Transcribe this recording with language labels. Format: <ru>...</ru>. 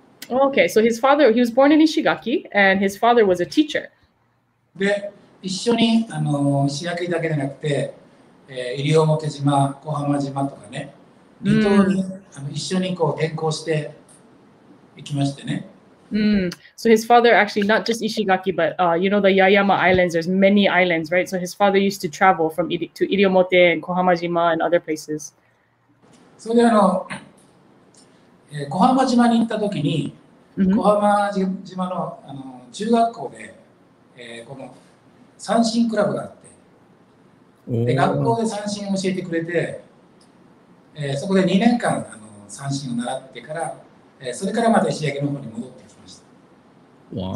<en>Okay, so his father, he was born in Ishigaki, and his father was a teacher.</en> <ja>で、一緒に、あの、石垣だけでなくて、西表島、小浜島とかね、離島に、あの、一緒にこう転校していきましてね。</ja> <en>So his father actually, not just Ishigaki, but you know the Yayama Islands, there's many islands, right? So his father used to travel from to 西表島、小浜島 and other places.</en> <ja>そうであの、小浜島に行った時に小浜島 の, あの中学校で、この三線クラブがあってで学校で三線を教えてくれて、そこで2年間あの三線を習ってから、それからまた石垣の方に戻ってきました。</ja>